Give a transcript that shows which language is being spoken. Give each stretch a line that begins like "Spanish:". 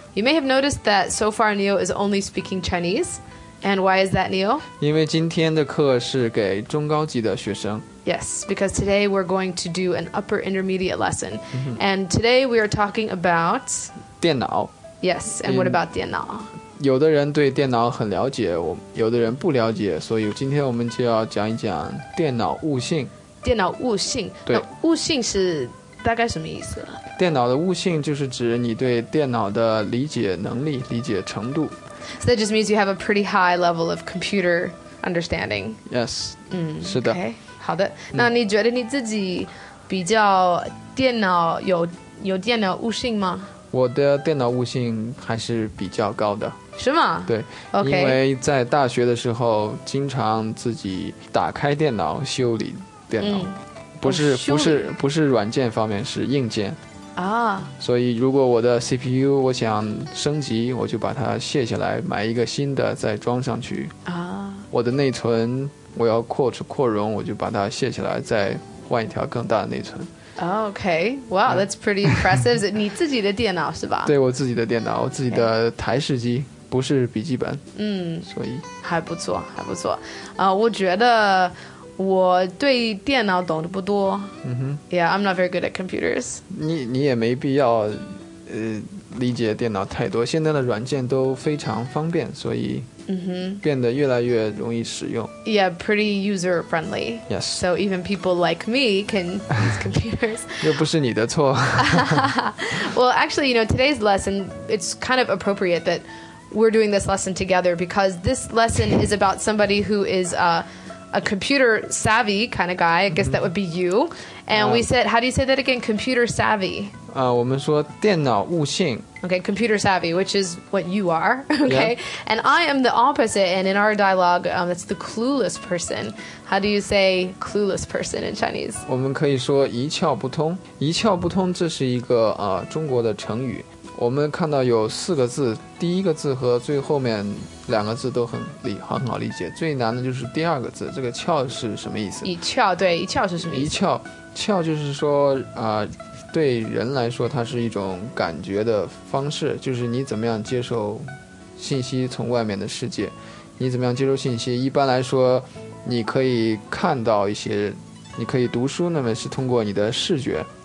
English: You may have noticed that so far Neil is only speaking Chinese. And why is that, Neil?
Chinese: 因为今天的课是给中高级的学生。
English: Yes, because today we're going to do an upper intermediate lesson. And today we are talking about...
Chinese: 电脑。
English: Yes, and what about 电脑？
Chinese: 有的人对电脑很了解，有的人不了解，所以今天我们就要讲一讲电脑悟性。电脑悟性，对，悟性是大概什么意思？电脑的悟性就是指你对电脑的理解能力，理解程度。
English: So that just means you have a pretty high level of computer understanding. Yes,
Chinese: 是的。Okay. 好的，那你觉得你自己比较电脑有电脑悟性吗？我的电脑悟性还是比较高的。是吗？对、
English: okay.
Chinese: 因为在大学的时候经常自己打开电脑修理电脑、不是软件方面，是硬件啊。所以如果我的 CPU 我想升级，我就把它卸下来买一个新的再装上去啊。我的内存我要扩容，我就把它卸下来，再换一条更大的内存。
English: Okay, wow, that's pretty impressive.
Chinese: 你自己的电脑是吧？对，我自己的电脑，我自己的台式机，不是笔记本。所以还不错，还不错。我觉得我对电脑懂得不多。
English: Yeah, I'm not very good at computers.
Chinese: 你也没必要，理解电脑太多。现在的软件都非常方便，所以。变得越来越容易使用。
English: Yeah, pretty user friendly. Yes. So even people like me can use computers.
Chinese: 又不是你的错。
English: Well, actually, you know, today's lesson, it's kind of appropriate that we're doing this lesson together because this lesson is about somebody who is a computer savvy kind of guy. I guess that would be you. And we said, how do you say that again? Computer savvy.
Chinese: 我们说电脑悟性。
English: Okay, computer savvy, which is what you are, okay?、 Yeah. And I am the opposite, and in our dialogue, that's the clueless person. How do you say clueless person in Chinese?
Chinese: 我们可以说一窍不通。一窍不通这是一个、中国的成语。我们看到有四个字，第一个字和最后面两个字都很好理解。最难的就是第二个字，这个窍是什么意思？一窍，对，一窍是什么意思？一窍，窍就是说、对人来说它是一种感觉的方式，就是你怎么样接受信息，从外面的世界你怎么样接受信息。一般来说你可以看到一些，你可以读书，那么是通过你的视觉。